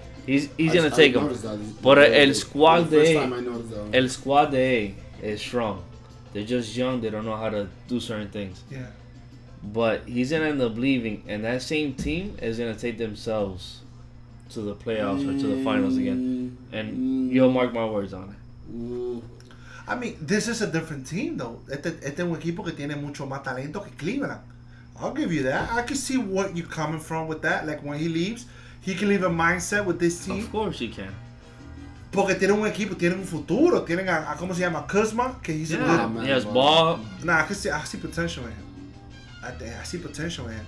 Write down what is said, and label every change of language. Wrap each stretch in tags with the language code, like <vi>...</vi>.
<en>He's gonna take him. But</en> <es>el squad de el squad de</es> <en>A is strong. They're just young. They don't know how to do certain things. Yeah. But he's gonna end up leaving, and that same team is gonna take themselves to the playoffs or to the finals again. And you'll mark my words on it. I mean, this is a different team, though.</en> <es>Este es un equipo que tiene mucho más talento que Cleveland.</es> <en>I'll give you that. I can see what you're coming from with that. Like, when he leaves, he can leave a mindset with this team. Of course he can.</en> <es>Porque tiene un equipo, tiene un futuro. Tienen a ¿cómo se llama? Kuzma, que</es> <en>he's yeah, a good man. He has ball. Nah, I see potential in him. I see potential in him.</en>